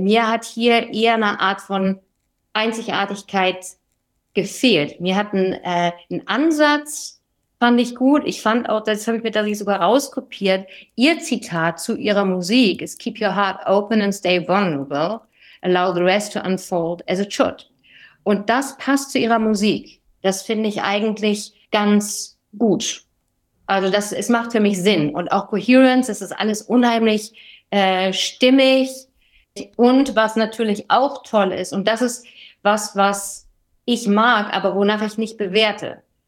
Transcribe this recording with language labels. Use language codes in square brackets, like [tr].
[de] Mir hat hier eher eine Art von Einzigartigkeit gefehlt. Mir hat ein Ansatz, fand ich gut. Ich fand auch, das habe ich mir tatsächlich sogar rauskopiert, ihr Zitat zu ihrer Musik ist [en] Keep your heart open and stay vulnerable. Allow the rest to unfold as it should. [de] Und das passt zu ihrer Musik. Das finde ich eigentlich ganz gut. Also das, es macht für mich Sinn. Und auch Coherence, das ist alles unheimlich stimmig. Und was natürlich auch toll ist, und das ist was, was ich mag, aber wonach ich nicht bewerte.